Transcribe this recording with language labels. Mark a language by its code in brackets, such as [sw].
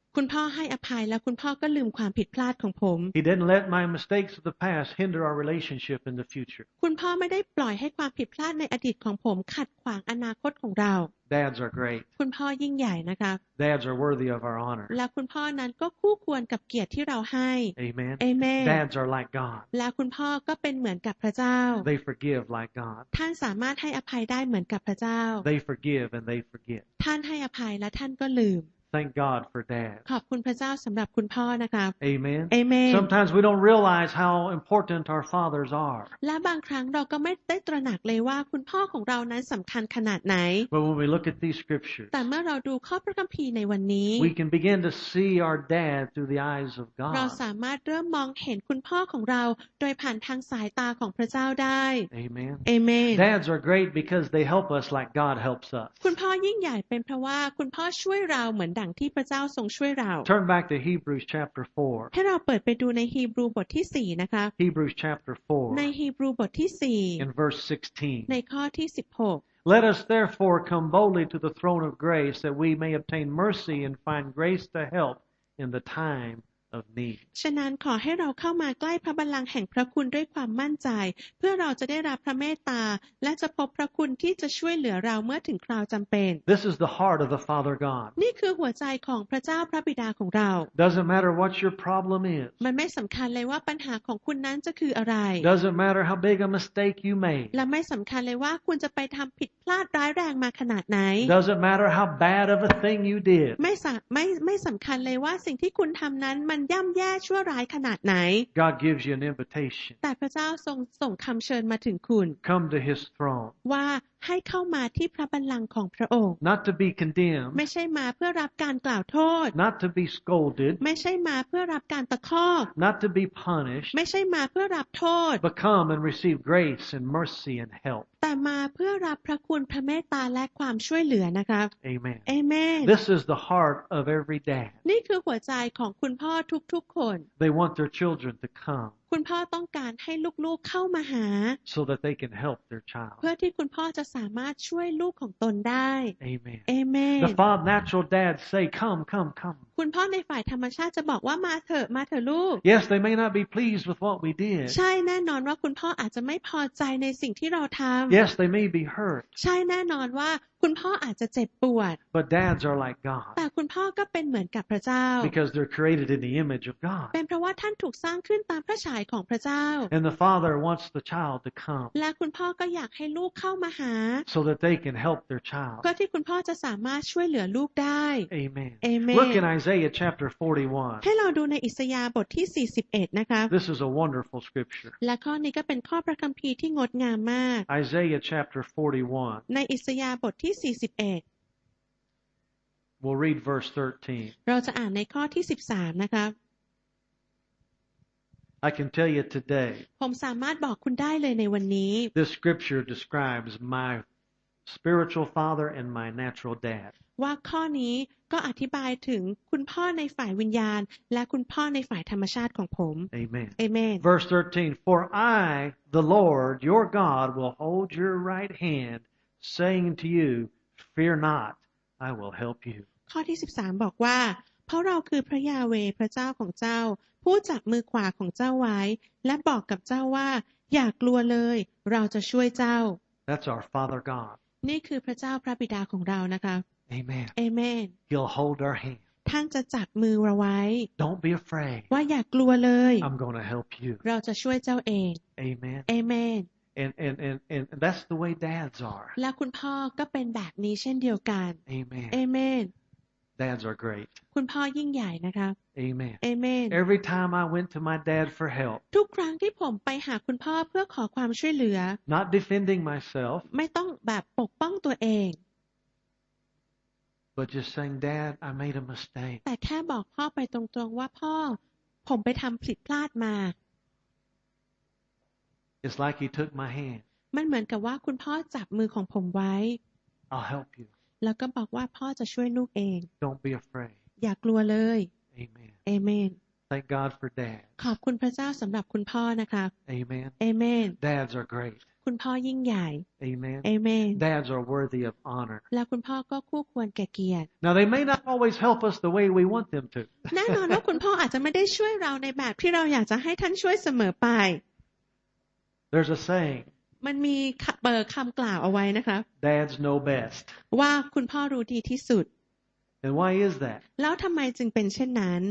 [th] คุณพ่อให้อภัยและคุณพ่อก็ลืมความผิดพลาดของผม [en] He didn't let my mistakes of the past hinder our relationship in the future. [th] คุณพ่อไม่ได้ปล่อยให้ความผิดพลาดในอดีตของผมขัดขวางอนาคตของเรา [en] Dads are great. [th] คุณพ่อยิ่งใหญ่นะคะ [en] Dads are worthy of our honor. [th] และคุณพ่อนั้นก็คู่ควรกับเกียรติที่เราให้ [en] Amen. Amen. Dads are like God. [th] และคุณพ่อก็เป็นเหมือนกับพระเจ้า [en] They forgive like God. [th] ท่านสามารถให้อภัยได้เหมือนกับพระเจ้า [en] They forgive and they forget. [th] ท่านให้อภัยและท่านก็ลืม [en] Thank God for Dad. [th] ขอบคุณพระเจ้าสำหรับคุณพ่อนะคะ [en] Amen. Amen. Sometimes we don't realize how important our fathers are. [th] และบางครั้งเราก็ไม่ได้ตระหนักเลยว่าคุณพ่อของเรานั้นสำคัญขนาดไหน [en] But when we look at these scriptures, [th] แต่เมื่อเราดูข้อพระคัมภีร์ในวันนี้ [en] we can begin to see our dad through the eyes of God. [th] เราสามารถเริ่มมองเห็นคุณพ่อของเราโดยผ่านทางสายตาของพระเจ้าได้ [en] Amen. Amen. Dads are great because they help us like God helps us. [th] คุณพ่อยิ่งใหญ่เป็นเพราะว่าคุณพ่อช่วยเราเหมือนดังที่พระเจ้าทรงช่วยเรา [en] Turn back to Hebrews chapter 4. [th] ให้เราเปิดไปดูในฮีบรูบทที่4นะคะ [en] Hebrews chapter 4. [th] ในฮีบรูบทที่4 [en] In verse 16. [th] ในข้อที่16 [en] Let us therefore come boldly to the throne of grace that we may obtain mercy and find grace to help in the time of need. [th] ฉะนั้นขอให้เราเข้ามาใกล้พระบัลลังก์แห่งพระคุณด้วยความมั่นใจเพื่อเราจะได้รับพระเมตตาและจะพบพระคุณที่จะช่วยเหลือเราเมื่อถึงคราวจำเป็น [en] This is the heart of the Father God. [th] นี่คือหัวใจของพระเจ้าพระบิดาของเรา [en] Doesn't matter what your problem is. [th] มันไม่สำคัญเลยว่าปัญหาของคุณนั้นจะคืออะไร [en] Doesn't matter how big a mistake you made. [th] และไม่สำคัญเลยว่าคุณจะไปทำผิดพลาดร้ายแรงมาขนาดไหน [en] Doesn't matter how bad of a thing you did. [th] ไม่สำคัญเลยว่าสิ่งที่คุณทำนั้นมันย่ำแย่ชั่วร้ายขนาดไหน [en] God gives you an invitation [th] แต่พระเจ้าทรงส่งคำเชิญมาถึงคุณ [en] Come to his throne [th] ว่าให้เข้ามาที่พระบัลลังก์ของพระองค์ [en] Not to be condemned [th] ไม่ใช่มาเพื่อรับการกล่าวโทษ [en] Not to be scolded [th] ไม่ใช่มาเพื่อรับการตะคอก [en] Not to be punished [th] ไม่ใช่มาเพื่อรับโทษ [en] But come and receive grace and mercy and help [th] แต่มาเพื่อรับพระคุณพระเมตตาและความช่วยเหลือนะครับ [en] Amen Amen This is the heart of every dad [th] นี่คือหัวใจของคุณพ่อทุกๆคน [en] They want their children to come [th] คุณพ่อต้องการให้ลูกๆเข้ามาหา [en] so that they can help their child [th] เพื่อที่คุณพ่อจะสามารถช่วยลูกของตนได้ [en] Amen Amen The father natural dad say come come come [th] คุณพ่อในฝ่ายธรรมชาติจะบอกว่ามาเถอะมาเถอะลูก [en] Yes they may not be pleased with what we did [th] ใช่แน่นอนว่าคุณพ่ออาจจะไม่พอใจในสิ่งที่เราทำ [en] Yes they may be hurt [th] ใช่แน่นอนว่าคุณพ่ออาจจะเจ็บปวด [en] But dads are like God [th] แต่คุณพ่อก็เป็นเหมือนกับพระเจ้า [en] Because they're created in the image of God [th] เป็นเพราะว่าท่านถูกสร้างขึ้นตามพระฉายของพระเจ้า [en] And the father wants the child to come [th] และคุณพ่อก็อยากให้ลูกเข้ามาหา [en] So that they can help their child [th] เพื่อที่คุณพ่อจะสามารถช่วยเหลือลูกได้ [en] Amen Amen Look in Isaiah chapter 41 [th] ให้เราดูในอิสยาห์บทที่41นะคะ [en] This is a wonderful scripture [th] และข้อนี้ก็เป็นข้อพระคัมภีร์ที่งดงามมาก [en] Isaiah chapter 41 [th] ในอิสยาห์บทที่41 [en] We'll read verse 13 [th] เราจะอ่านในข้อที่13นะครับ [en] I can tell you today [th] ผมสามารถบอกคุณได้เลยในวันนี้ [en] This scripture describes my spiritual father and my natural dad [th] ว่าข้อนี้ก็อธิบายถึงคุณพ่อในฝ่ายวิญญาณและคุณพ่อในฝ่ายธรรมชาติของผม [en] Amen Amen Verse 13 For I the Lord your God will hold your right handsaying to you fear not I will help you [th] ข้อที่13บอกว่าเพราะเราคือพระยาเวพระเจ้าของเจ้าผู้จับมือขวาของเจ้าไว้และบอกกับเจ้าว่าอย่ากลัวเลยเราจะช่วยเจ้า [en] That's our Father God [th] นี่คือพระเจ้าพระบิดาของเรานะคะ [en] Amen Amen He'll hold our hand [th] ท่านจะจับมือเราไว้ [en] Don't be afraid [th] ว่าอย่ากลัวเลย [en] I'm going to help you [th] เราจะช่วยเจ้าเอง [en] Amen Amen And that's the way dads are. [th] และคุณพ่อก็เป็นแบบนี้เช่นเดียวกัน [en] Amen. Amen. Dads are great. [th] คุณพ่อยิ่งใหญ่นะคะ [en] Amen. Amen. Every time I went to my dad for help. [th] ทุกครั้งที่ผมไปหาคุณพ่อเพื่อขอความช่วยเหลือ [en] Not defending myself. [th] ไม่ต้องแบบปกป้องตัวเอง [en] But just saying, Dad, I made a mistake. [th] แต่แค่บอกพ่อไปตรงๆว่าพ่อผมไปทำผิดพลาดมา [en] It's like he took my hand. [th] มันเหมือนกับว่าคุณพ่อจับมือของผมไว้ [en] I'll help you. [th] แล้วก็บอกว่าพ่อจะช่วยลูกเอง [en] Don't be afraid. [th] อย่ากลัวเลย [en] Amen. Amen. Thank God for dad. [th] ขอบคุณพระเจ้าสำหรับคุณพ่อนะคะ [en] Amen. Amen. Dads are great. [th] คุณพ่อยิ่งใหญ่ [en] Amen. Amen. Dads are worthy of honor. [th] แล้วคุณพ่อก็คู่ควรแก่เกียรติ [en] Now they may not always help us the way we want them to. [th] แน่นอนว่าคุณพ่ออาจจะไม่ได้ช่วยเราในแบบที่เราอยากจะให้ท่านช่วยเสมอไป [en] There's a saying. [th] มันมีเปิดคำกล่าวเอาไว้นะคะ [en] Dad's know best. [th] ว่าคุณพ่อรู้ดีที่สุด [en] And why is that? [th] แล้วทำไมจึงเป็นเช่นนั้น